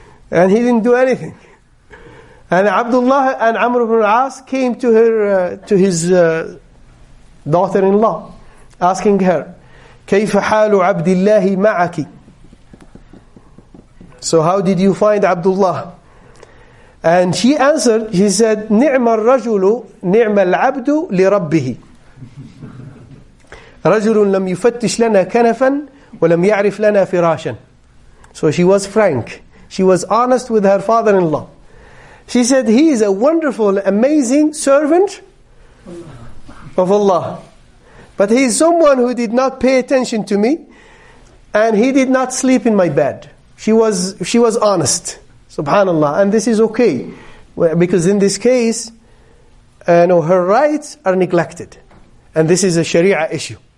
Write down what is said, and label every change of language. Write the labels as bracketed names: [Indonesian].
[English] And he didn't do anything. And Abdullah and Amr ibn al-As came to her, to his daughter-in-law, asking her, [Arabic] كَيْفَ حَالُ عَبْدِ اللَّهِ مَعَكِ. [English] So how did you find Abdullah? And she answered, she said, [Arabic] نِعْمَ الرَّجُلُ نِعْمَ الْعَبْدُ لِرَبِّهِ رَجُلٌ لَمْ يُفَتِّشْ لَنَا كَنَفًا وَلَمْ يَعْرِفْ لَنَا فِرَاشًا. [English] So she was frank. She was honest with her father-in-law. She said, he is a wonderful, amazing servant of Allah. But he is someone who did not pay attention to me, and he did not sleep in my bed. She was honest, subhanAllah, and this is okay, because in this case, her rights are neglected, and this is a Sharia issue.